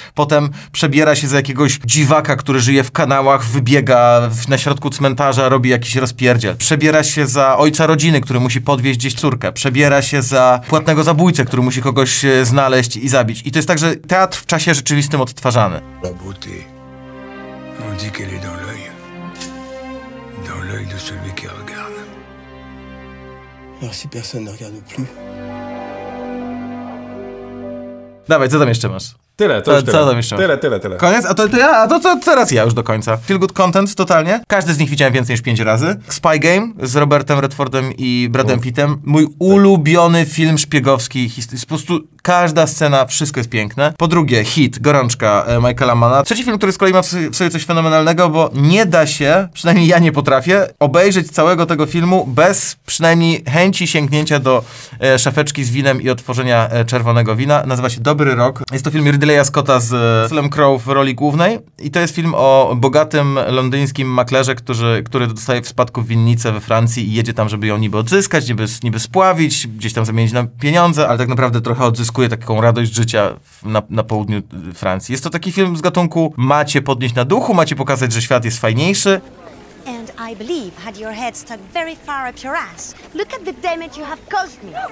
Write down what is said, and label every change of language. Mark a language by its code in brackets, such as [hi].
[pl] Potem przebiera się za jakiegoś dziwaka, który żyje w kanałach, wybiega na środku cmentarza, robi jakiś rozpierdziel. Przebiera się za ojca rodziny, który musi podwieźć gdzieś córkę. Przebiera się za płatnego zabójcę, który musi kogoś znaleźć i zabić. I to jest tak, że teatr w czasie rzeczywistym odtwarzany. [fr] La beauté, on dit qu'elle est dans l'œil de celui qui regarde. Alors si personne ne regarde plus. [pl] Dawaj, co tam jeszcze masz? Tyle. Koniec? A to teraz ja już do końca. [en] Feel good content [pl] totalnie. Każdy z nich widziałem więcej niż 5 razy. Spy Game z Robertem Redfordem i Bradem Pittem. Mój ulubiony film szpiegowski. Po prostu każda scena, wszystko jest piękne. Po drugie, Heat, Gorączka Michaela Manna. Trzeci film, który z kolei ma w sobie coś fenomenalnego, bo nie da się, przynajmniej ja nie potrafię, obejrzeć całego tego filmu bez przynajmniej chęci sięgnięcia do szafeczki z winem i otworzenia czerwonego wina. Nazywa się Dobry Rok. Jest to film Ridleya Scotta z Selem Crowe w roli głównej i to jest film o bogatym londyńskim maklerze, który dostaje w spadku winnicę we Francji i jedzie tam, żeby ją niby odzyskać, niby spławić, gdzieś tam zamienić na pieniądze, ale tak naprawdę trochę odzyskuje taką radość życia na południu Francji. Jest to taki film z gatunku macie podnieść na duchu, macie pokazać, że świat jest fajniejszy. [en] And I believe had your head stuck very far up your ass. Look at the damage you have caused me.